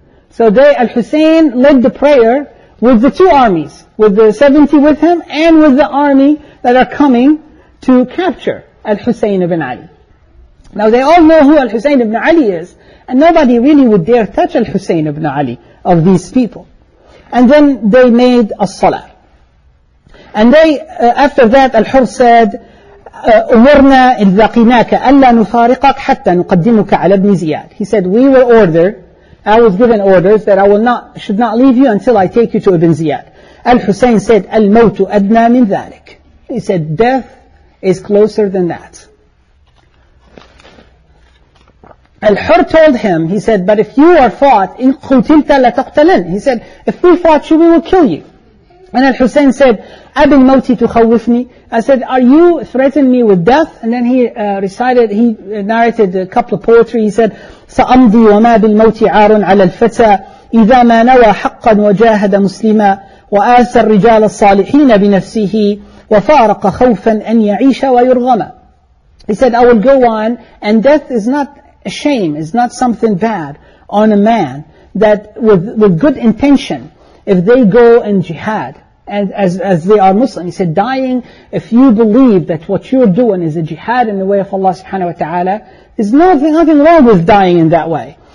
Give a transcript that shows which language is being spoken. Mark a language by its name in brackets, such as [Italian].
[English] So Al-Husayn led the prayer with the two armies, with the 70 with him and with the army that are coming to capture Al-Husayn ibn Ali. Now they all know who Al-Husayn ibn Ali is, and nobody really would dare touch Al-Husayn ibn Ali of these people. And then they made a salah. And they, after that, Al-Hur said, [Arabic] أمرنا إن ذقناك ألا نفارقك حتى نقدمك على ابن زياد. [English] He said, we were ordered, I was given orders that I should not leave you until I take you to Ibn Ziyad. Al-Husayn said, [Arabic] الموت أدنى من ذلك. [English] He said, death is closer than that. Al-Hur told him, he said, but if you are fought, [Arabic] إن قتلت لتقتلن. [English] He said, if we fought you, we will kill you. And Al-Husayn said, [Arabic] أَبِنْ مَوْتِي تُخَوِّفْنِي. [English] I said, are you threatening me with death? And then he narrated a couple of poetry. He said, [Arabic] سَأَمْضِي وَمَا بِالْمَوْتِ عَارٌ عَلَى الْفَتَى إِذَا مَا نَوَى حَقًّا وَجَاهَدَ مُسْلِمًا وآس الرجال الصالحين بنفسه وفارق خوفا أن يعيش ويرغم. [English] He said, I will go on, and death is not a shame, is not something bad on a man that with good intention, if they go in jihad, and as they are Muslim, he said, dying, if you believe that what you're doing is a jihad in the way of Allah subhanahu wa ta'ala, there's nothing wrong with dying in that way.